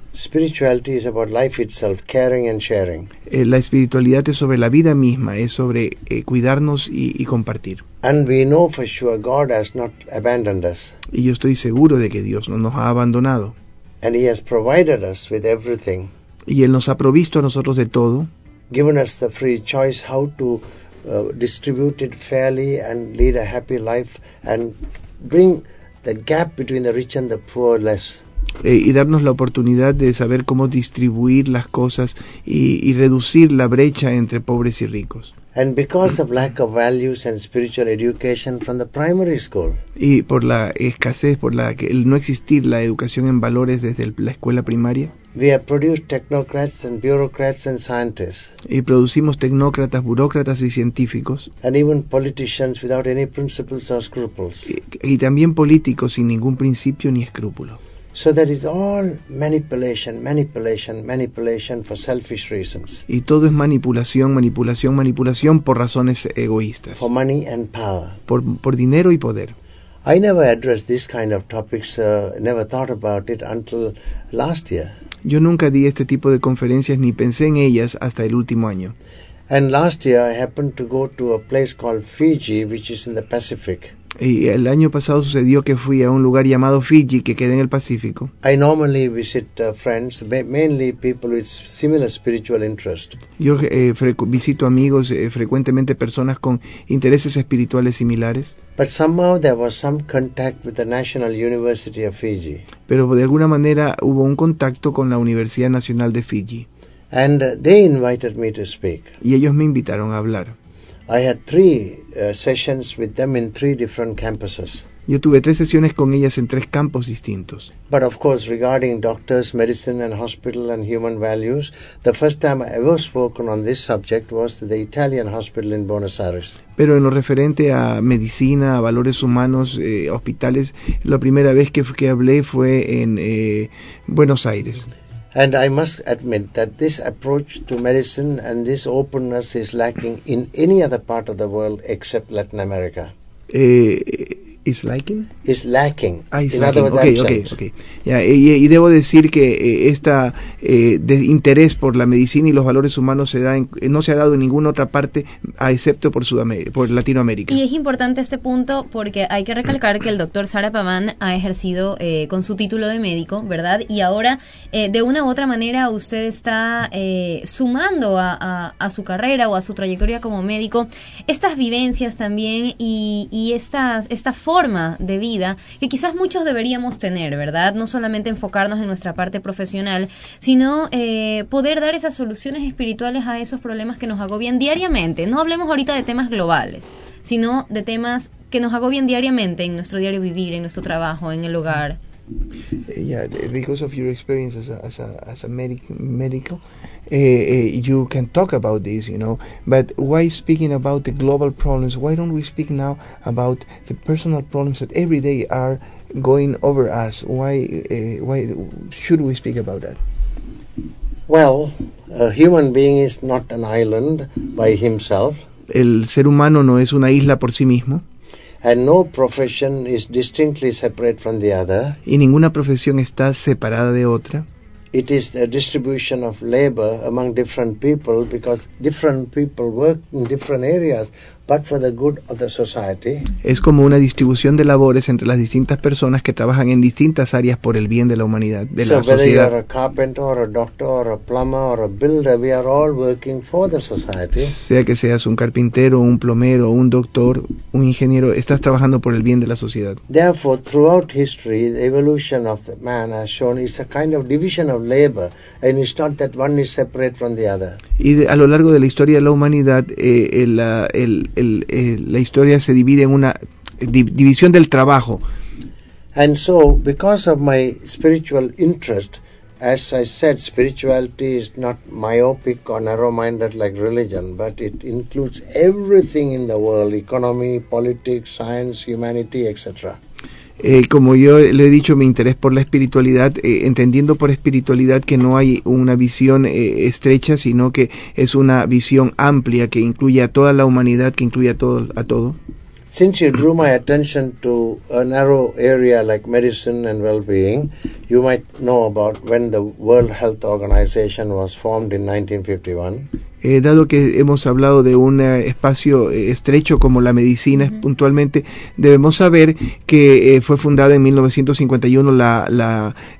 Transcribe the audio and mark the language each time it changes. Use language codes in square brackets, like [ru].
[en] Spirituality is about life itself, caring and sharing. [es] La espiritualidad es sobre la vida misma, es sobre cuidarnos y compartir. [en] And we know for sure God has not abandoned us. [es] Y yo estoy seguro de que Dios no nos ha abandonado. [en] And He has provided us with everything. [es] Y Él nos ha provisto a nosotros de todo. [en] given us the free choice how to distribute it fairly and lead a happy life and bring the gap between the rich and the poor less. [es] Y darnos la oportunidad de saber cómo distribuir las cosas y reducir la brecha entre pobres y ricos. [en] And because of lack of values and spiritual education from the primary school. [es] Y por la escasez, por la que el no existir la educación en valores desde la escuela primaria. [en] We have produced technocrats and bureaucrats and scientists. [es] Y producimos tecnócratas, burócratas y científicos. [en] And even politicians without any principles or scruples. [es] Y también políticos sin ningún principio ni escrúpulo. [en] So that is all manipulation, manipulation, manipulation for selfish reasons. [es] Y todo es manipulación, manipulación, manipulación por razones egoístas. [en] For money and power. [es] Por dinero y poder. [en] I never addressed this kind of topics, never thought about it until last year. [es] Yo nunca di este tipo de conferencias ni pensé en ellas hasta el último año. [en] And last year I happened to go to a place called Fiji, which is in the Pacific. [es] Y el año pasado sucedió que fui a un lugar llamado Fiji, que queda en el Pacífico. [en] I normally visit friends, mainly people with similar spiritual interest. [es] Yo visito amigos, frecuentemente personas con intereses espirituales similares. [en] But somehow there was some contact with the National University of Fiji. [es] Pero de alguna manera hubo un contacto con la Universidad Nacional de Fiji. [en] And they invited me to speak. [es] Y ellos me invitaron a hablar. [en] I had three sessions with them in three different campuses. [es] Yo tuve tres sesiones con ellas en tres campos distintos. [en] But of course, regarding doctors, medicine and hospital and human values, the first time I ever spoken on this subject was the Italian hospital in Buenos Aires. [es] Pero en lo referente a medicina, a valores humanos, hospitales, la primera vez que hablé fue en Buenos Aires. [en] And I must admit that this approach to medicine and this openness is lacking in any other part of the world except Latin America. Is lacking? Is lacking. Ah, is in lacking. Other words, okay, okay, okay, okay. [es] Yeah, y debo decir que esta de interés por la medicina y los valores humanos se da en, no se ha dado en ninguna otra parte, excepto por Sudamérica, por Latinoamérica. Y es importante este punto porque hay que recalcar que el doctor Sara Paván ha ejercido con su título de médico, ¿verdad? Y ahora, de una u otra manera, usted está sumando a su carrera o a su trayectoria como médico estas vivencias también y esta forma de vida que quizás muchos deberíamos tener, ¿verdad? No solamente enfocarnos en nuestra parte profesional, sino poder dar esas soluciones espirituales a esos problemas que nos agobian diariamente. No hablemos ahorita de temas globales, sino de temas que nos agobian diariamente en nuestro diario vivir, en nuestro trabajo, en el hogar. [en] Yeah, because of your experience as a medical, you can talk about this, you know. But why speaking about the global problems? Why don't we speak now about the personal problems that every day are going over us? Why should we speak about that? Well, a human being is not an island by himself. [es] El ser humano no es una isla por sí mismo. [en] And no profession is distinctly separate from the other. [es] Y ninguna profesión está separada de otra. [en] It is a distribution of labor among different people because different people work in different areas, but for the good of the society. [es] Es como una distribución de labores entre las distintas personas que trabajan en distintas áreas por el bien de la humanidad, de so la sociedad. [en] So whether you are a carpenter or a doctor or a plumber or a builder, we are all working for the society. [es] Sea que seas un carpintero, un plomero, un doctor, un ingeniero, estás trabajando por el bien de la sociedad. [en] Therefore, throughout history, the evolution of man has shown is a kind of division of labor, and it's not that one is separate from the other. [es] Y a lo largo de la historia de la humanidad, la historia se divide en una división del trabajo. [en] And so, because of my spiritual interest, as I said, spirituality is not myopic or narrow-minded like religion, but it includes everything in the world, economy, politics, science, humanity, etc. [es] Como yo le he dicho, mi interés por la espiritualidad, entendiendo por espiritualidad que no hay una visión estrecha, sino que es una visión amplia que incluye a toda la humanidad, que incluye a todo. [en] Since you drew my attention to a narrow area like medicine and well-being, you might know about when the World Health Organization was formed in 1951. [es] Dado que hemos hablado de un espacio estrecho como la medicina, mm-hmm. puntualmente, debemos saber que fue fundada en 1951 la